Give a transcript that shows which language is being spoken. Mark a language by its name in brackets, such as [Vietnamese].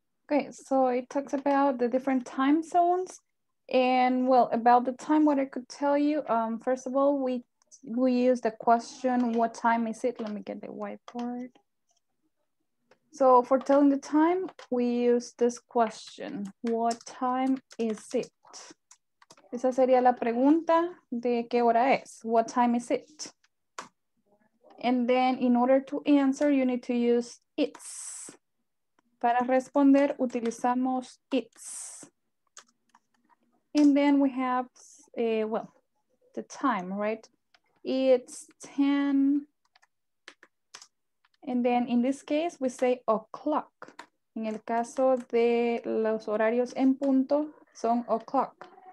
[English] Okay, so it talks about the different time zones and, well, about the time, what I could tell you. First of all, we use the question, what time is it? Let me get the whiteboard. So for telling the time, we use this question. What time is it? [Spanish] Esa sería la pregunta de qué hora es. [English] What time is it? And then in order to answer, you need to use it's. [Spanish] Para responder, utilizamos [English] it's. And then we have, well, the time, right? It's 10. And then in this case, we say o'clock. [Spanish] En el caso de los horarios en punto, son o'clock.